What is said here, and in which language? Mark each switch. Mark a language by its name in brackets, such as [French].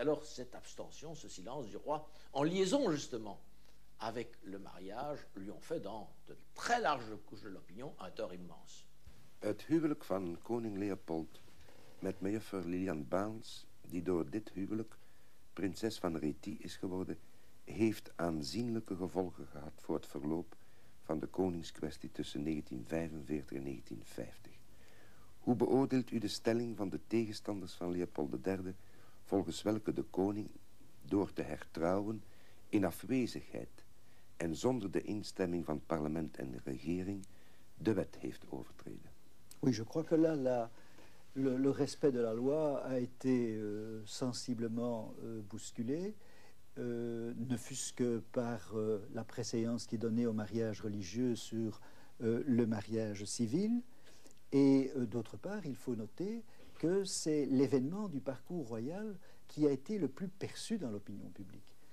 [French] Et alors, cette abstention, ce silence du roi, en liaison justement avec le mariage, lui ont fait dans de très larges couches de l'opinion un tort immense. [Dutch] Het huwelijk van koning Leopold met mejuffer Lilian Baens, die door dit huwelijk prinses van Réthy is geworden, heeft aanzienlijke gevolgen gehad voor het verloop van de koningskwestie tussen 1945 en 1950. Hoe beoordeelt u de stelling van de tegenstanders van Leopold III, volgens welke de koning door te hertrouwen in afwezigheid en zonder de instemming van parlement en de regering de wet heeft overtreden? [French] Oui, je crois que là, le respect de la loi a été sensiblement bousculé. Ne fût-ce que par la préséance qui est donnée au mariage religieux sur le mariage civil. Et d'autre part, il faut noter que c'est l'événement du parcours royal qui a été le plus perçu dans l'opinion publique.